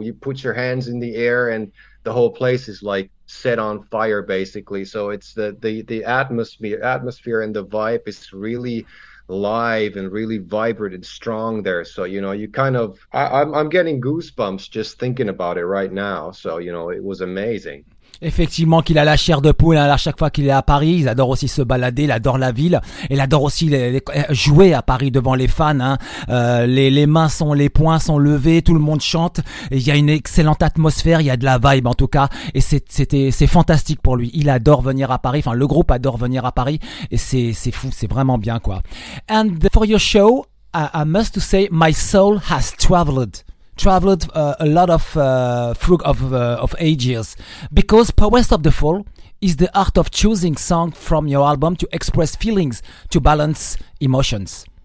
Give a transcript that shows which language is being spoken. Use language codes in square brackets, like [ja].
[en] You put your hands in the air and the whole place is like set on fire, basically. So it's the atmosphere and the vibe is really live and really vibrant and strong there. So you know, you kind of I'm getting goosebumps just thinking about it right now. So you know, it was amazing. [fr] Effectivement qu'il a la chair de poule hein, à chaque fois qu'il est à Paris. Il adore aussi se balader, il adore la ville, il adore aussi jouer à Paris devant les fans hein. Les mains sont, les poings sont levés, tout le monde chante et il y a une excellente atmosphère, il y a de la vibe en tout cas, et c'est fantastique pour lui. Il adore venir à Paris, enfin le groupe adore venir à Paris, et c'est fou, c'est vraiment bien quoi. [en] And for your show, I must to say my soul has traveled a lot of through of ages, because Powest of the Fall is the art of choosing song from your album to express feelings, to balance emotions.